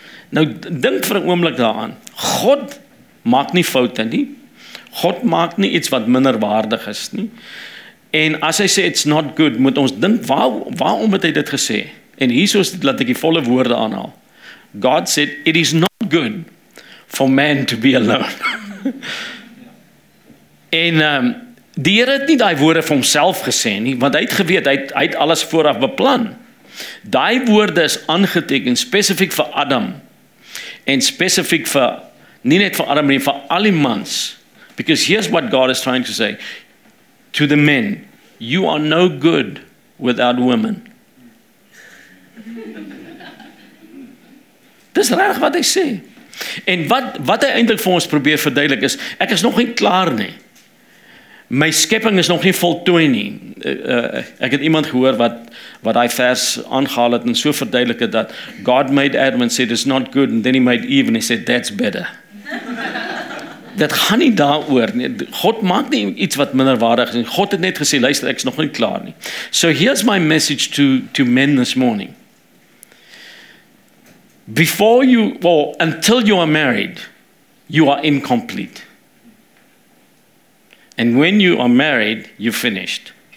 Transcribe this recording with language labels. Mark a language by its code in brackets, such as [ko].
[af] Nou, dink vir 'n oomblik daaraan, God maak nie foute nie, God maak nie iets wat minder waardig is nie, en as hy sê, [en] it's not good, [af] moet ons dink, waarom het hy dit gesê? En hiersoos laat ek die volle woorde aanhaal. [en] God said, it is not good for man to be alone. [af] En die Here het nie die woorde vir homself gesê nie, want hy het geweet, hy het alles vooraf beplan. Die woorde is aangeteken spesifiek vir Adam, en spesifiek vir, nie net vir Adam, nie vir al die mans. [en] Because here's what God is trying to say, to the men, you are no good without women. [af] Dis reg wat hy sê. En wat hy eintlik vir ons probeer verduidelik is, ek is nog nie klaar nie. My skepping is nog nie voltooi nie. Ek het iemand gehoor wat hy vers aangehaal het en so verduidelik het dat [en] God made Adam and said it's not good, and then he made Eve and he said that's better. [af] Dit gaan nie daaroor nie. God maak nie iets wat minder waardig is. God het net gesê, luister, ek is nog nie klaar nie. [en] So here's my message to men this morning. Before you, well, until you are married, you are incomplete. And when you are married, you're finished.